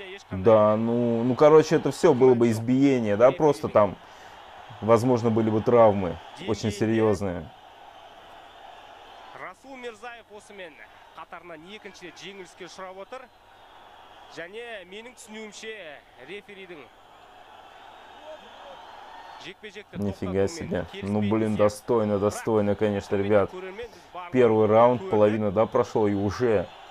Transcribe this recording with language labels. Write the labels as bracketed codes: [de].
[ru] Да, ну, короче, это все было бы избиение, да, просто там, возможно, были бы травмы очень серьезные. [kk] Расул Мирзаев осымен қатарынан екінші рет жеңіліске ұшырап отыр. Және менің түсінуімше реферидің... [ru] Нифига себе. Ну, блин, достойно, конечно, ребят. Первый раунд, половина, да, прошел и уже...